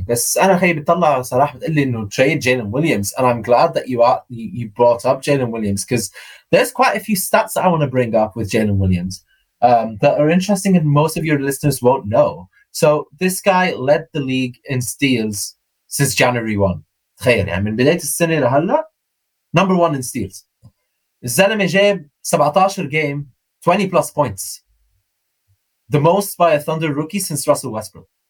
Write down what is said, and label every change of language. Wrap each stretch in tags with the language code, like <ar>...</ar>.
<en>But</en> <ar>أنا خي بطلع صراحة بتقول لي إنه</ar> <en>trade Jalen Williams, and I'm glad that you brought up Jalen Williams because there's quite a few stats that I want to bring up with Jalen Williams that are interesting and most of your listeners won't know. So this guy led the league in steals since January 1.</en> <ar>تخيل يعني من بداية السنة لهلا</ar> <en>number one in steals.</en> <ar>الزلمة جاب 17</ar> <en>game 20 plus points. The most by a Thunder rookie since Russell Westbrook.</en>